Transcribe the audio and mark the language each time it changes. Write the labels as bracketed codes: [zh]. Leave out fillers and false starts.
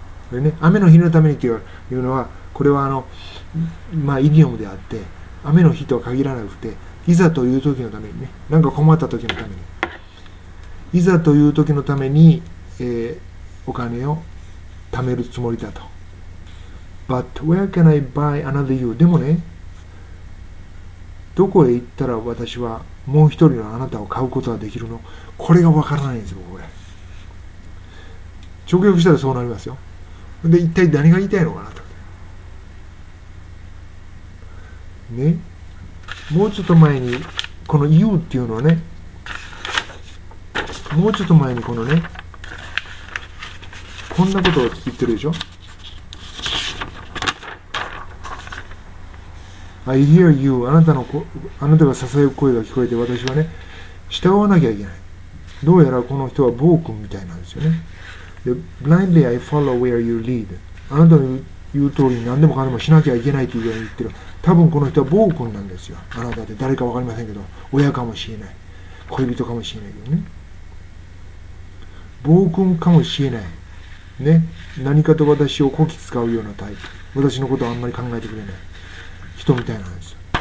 [ja] これね、雨の日のためにっていうのは、これはまあイディオムであって、雨の日とは限らなくて、いざという時のためにね、なんか困った時のために、いざという時のためにお金を貯めるつもりだと。 [en] But where can I buy another you? [ja] でもね、どこへ行ったら私はもう一人のあなたを買うことができるの？これがわからないんですよ、これ。直訳したらそうなりますよ。で、一体何が言いたいのかなと。ね、もうちょっと前にこの you っていうのはね、もうちょっと前にこのね、こんなことを言ってるでしょ。 [en] I hear you. [ja] あなたが囁く声が聞こえて、私はね、従わなきゃいけない。どうやらこの人は暴君みたいなんですよね。 [en] The blindly I follow where you lead. [ja] あなたの言う通りに何でもかんでもしなきゃいけないというように言ってる。多分この人は暴君なんですよ。あなたって誰か分かりませんけど、親かもしれない、恋人かもしれないけどね、暴君かもしれないね、何かと私をこき使うようなタイプ、私のことはあんまり考えてくれない人みたいなんですよ。